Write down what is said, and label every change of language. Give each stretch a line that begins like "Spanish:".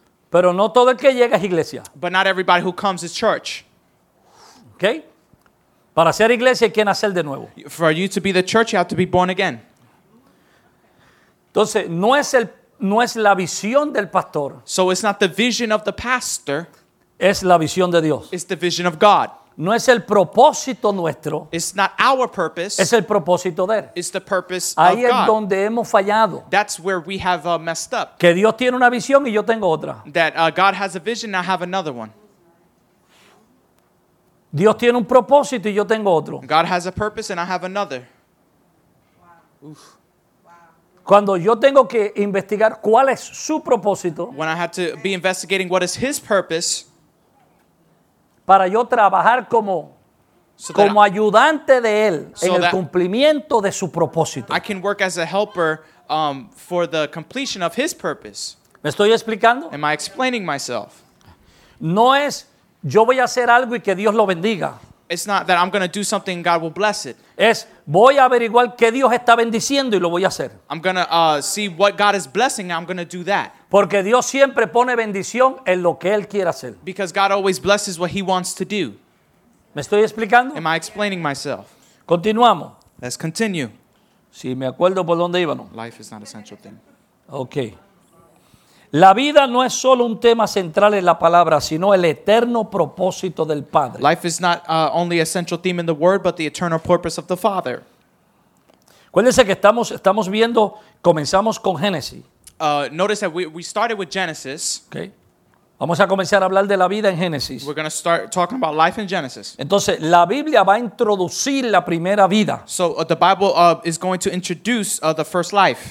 Spanish: Pero no todo el que llega es iglesia.
English: But not everybody who comes is church. Okay?
Spanish: Para ser iglesia hay que nacer de nuevo.
English: For you to be the church, you have to be born again.
Spanish: Entonces, no es la visión del pastor.
English: So it's not the vision of the pastor.
Spanish: Es la visión de Dios.
English: It's the vision of God.
Spanish: No es el propósito nuestro.
English: It's not our purpose.
Spanish: Es el propósito de él.
English: It's the purpose of God.
Spanish: Ahí es donde hemos fallado.
English: That's where we have messed up.
Spanish: Que Dios tiene una visión y yo tengo otra.
English: That God has a vision and I have another one.
Spanish: Dios tiene un propósito y yo tengo otro.
English: God has a purpose and I have another. Wow. Oof.
Spanish: Cuando yo tengo que investigar cuál es su propósito.
English: When I have to be investigating what is his purpose.
Spanish: Para yo trabajar como ayudante de él en el cumplimiento de su propósito.
English: I can work as a helper for the completion of his purpose.
Spanish: ¿Me estoy explicando?
English: Am I explaining myself?
Spanish: No es Yo voy a hacer algo y que Dios lo bendiga.
English: It's not that I'm going to do something and God will bless it.
Spanish: Es voy a averiguar qué Dios está bendiciendo y lo voy a hacer.
English: I'm going to see what God is blessing and I'm going to do that.
Spanish: Porque Dios siempre pone bendición en lo que Él quiere hacer.
English: Because God always blesses what He wants to do.
Spanish: ¿Me estoy explicando?
English: Am I explaining myself?
Spanish: Continuamos.
English: Let's continue.
Spanish: Si me acuerdo por dónde íbamos.
English: Life is not a central thing. Okay.
Spanish: La vida no es solo un tema central en la palabra, sino el eterno propósito del Padre.
English: Life is not only a central theme in the Word, but the eternal purpose of the Father.
Spanish: Acuérdense que estamos viendo, comenzamos con Génesis.
English: Notice that we started with Genesis. Okay.
Spanish: Vamos a comenzar a hablar de la vida en Génesis.
English: We're going to start talking about life in Genesis.
Spanish: Entonces, la Biblia va a introducir la primera vida.
English: So, the Bible is going to introduce the first life.